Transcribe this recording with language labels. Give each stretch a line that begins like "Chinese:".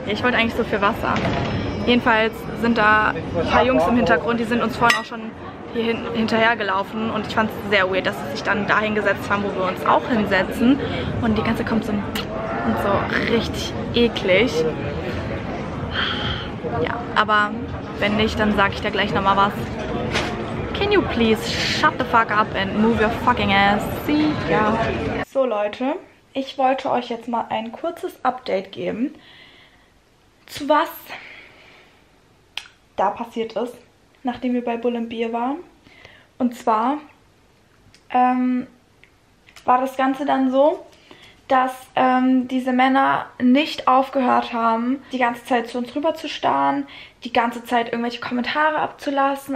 German: Ich wollte eigentlich so viel Wasser. Jedenfalls sind da ein paar Jungs im Hintergrund, die sind uns vorhin auch schon hier hinterhergelaufen und ich fand es sehr weird, dass sie sich dann dahin gesetzt haben, wo wir uns auch hinsetzen. Und die ganze kommt so und so richtig eklig. Ja, aber wenn nicht, dann sag ich da gleich nochmal was.
English: Can you please shut the fuck up and move your fucking ass? See ya.
German: So, Leute, ich wollte euch jetzt mal ein kurzes Update geben, zu was da passiert ist, nachdem wir bei Bull & Bear waren. Und zwar war das Ganze dann so, dass diese Männer nicht aufgehört haben, die ganze Zeit zu uns rüber zu starren, die ganze Zeit irgendwelche Kommentare abzulassen.